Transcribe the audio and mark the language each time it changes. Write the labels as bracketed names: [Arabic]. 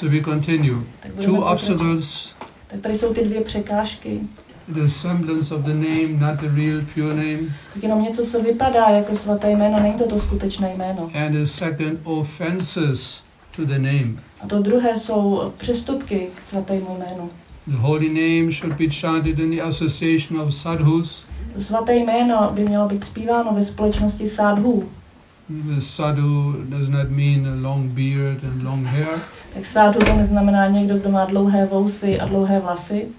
[English] So we continue. Two obstacles. [Czech] Tak tady jsou ty dvě překážky. [English] The semblance of the name, not the real pure name. [Czech] Jenom něco, co vypadá jako svaté jméno, není to skutečné jméno. [English] And the second, offenses to the name. [Czech] A to druhé jsou přestupky k svatému jménu. [English] The holy name should be chanted in the association of sadhus. [Czech] Svaté jméno by mělo být zpíváno ve společnosti sadhu. [English] The sadhu does not mean a long beard and long hair. [Czech] Tak sádhu to neznamená někdo, kdo má dlouhé vousy a dlouhé vlasy.